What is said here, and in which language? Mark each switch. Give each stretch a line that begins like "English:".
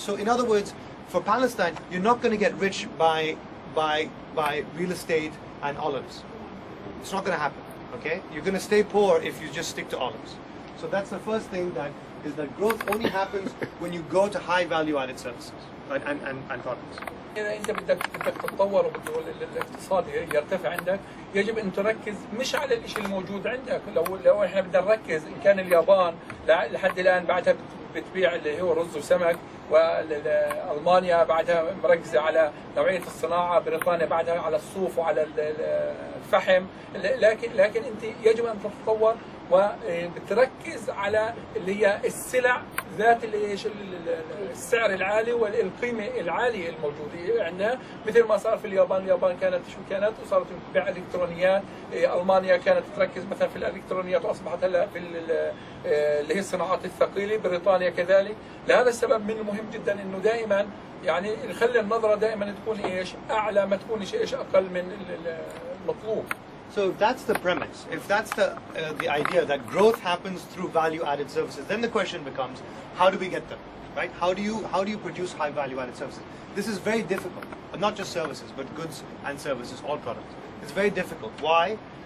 English: So in other words, for Palestine, you're not going to get rich by real estate and olives. It's not going to happen, okay? You're going to stay poor if you just stick to olives. So that's the first thing, that is that growth only happens when you go to high value added services. and products.
Arabic: إذا بدك تتطور والاقتصاد يرتفع عندك، يجب أن تركز مش على الإشي الموجود عندك. لو إحنا بدنا نركز، إن كان اليابان لحد الآن بعدها بتبيع اللي هو رز وسمك، وألمانيا بعدها مركزة على نوعية الصناعة، بريطانيا بعدها على الصوف وعلى الفحم، لكن أنت يجب أن تتطور وبتركز على اللي هي السلع ذات السعر العالي والقيمة العالية الموجودة عندنا، مثل ما صار في اليابان. اليابان كانت شو كانت؟ وصارت تبيع الإلكترونيات. ألمانيا كانت تركز مثلا في الإلكترونيات وأصبحت هلا في اللي هي الصناعات الثقيلة. بريطانيا كذلك. لهذا السبب من المهم جدا أنه دائما يعني نخلي النظرة دائما تكون إيش أعلى، ما تكون إيش أقل من المطلوب.
English: So if that's the premise, if that's the idea that growth happens through value-added services, then the question becomes, how do we get them, right? How do you produce high value-added services? This is very difficult, not just services, but goods and services, all products. It's very difficult. Why?